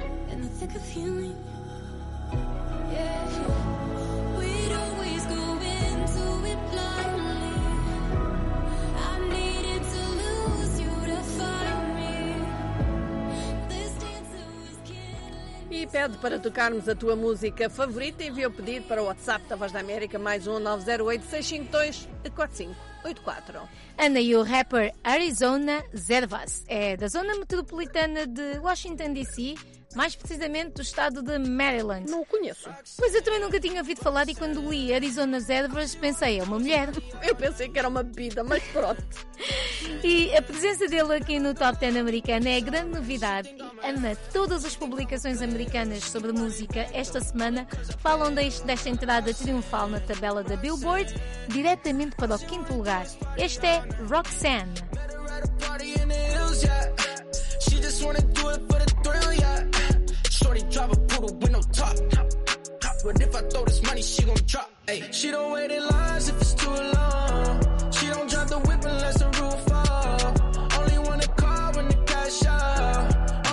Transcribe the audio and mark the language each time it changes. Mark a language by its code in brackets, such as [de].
[en] In the thick of healing, yeah. We'd always go into it blindly. I needed to lose you to find me. This dancer was killing. [pt] E pede para tocarmos a tua música favorita, envia o pedido para o WhatsApp da Voz da América, mais um 908-652-4584. Ana e o rapper Arizona Zervas é da zona metropolitana de Washington DC, mais precisamente do estado de Maryland. Não o conheço. Pois eu também nunca tinha ouvido falar e quando li Arizona Zervas pensei, é uma mulher. Eu pensei que era uma bebida, mas pronto. E a presença dele aqui no Top 10 americano é a grande novidade. Ana, todas as publicações americanas sobre música esta semana falam desta entrada triunfal na tabela da Billboard, diretamente para o quinto lugar. Este é Roxanne. [en] Shorty drive a poodle with no top. But if I throw this money, she gon' drop. Ay. She don't wait in lines if it's too long. She don't drive the whip unless the roof fall. Only wanna call when the cash out.